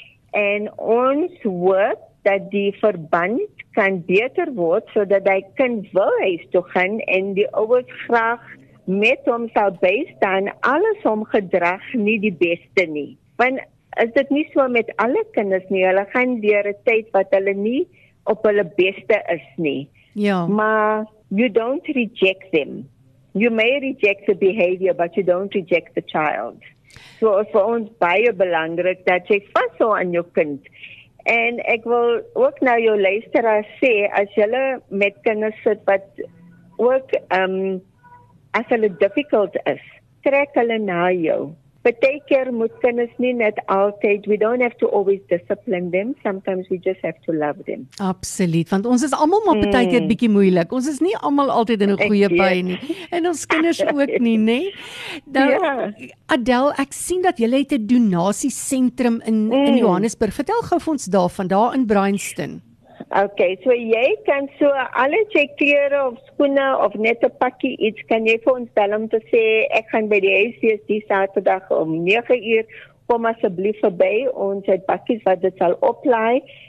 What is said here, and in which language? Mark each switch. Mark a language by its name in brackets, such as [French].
[Afrikaans] En ons hoop dat die verband kan beter word sodat hy kind wil huis toe gaan en die ouers graag met hom sal bystaan, alles om gedrag nie die beste nie. Want is dit nie so met alle kinders nie, hulle gaan deur 'n tyd wat hulle nie op hulle beste is nie. Ja. [English] Maar you don't reject them. You may reject the behavior, but you don't reject the child. [Afrikaans] So vir ons baie belangrik dat jy vashou aan jou kind. En ek wil ook nou jou luisteraar sê, as julle met kinders sit wat ook as hulle difficult is, trek hulle na jou. Partykeer moet kinders nie net altyd, [English] we don't have to always discipline them, sometimes we just have to love them. [Afrikaans] Absoluut, want ons is allemaal maar partykeer bietjie moeilik. Ons is nie allemaal altyd in 'n goeie bui nie. En ons kinders ook nie, nê? Nou, Adele, ek sien dat julle het 'n donasiesentrum in Johannesburg. Vertel gou vir ons daarvan, daar in Bryanston. Okay, so jy kan so alle jy klere of skoene of net 'n pakkie iets, kan jy vir ons bel om te sê, ek gaan by die huis wees die Saterdag om 9:00, kom asseblief verby, ons het pakkies wat dit sal oplaai,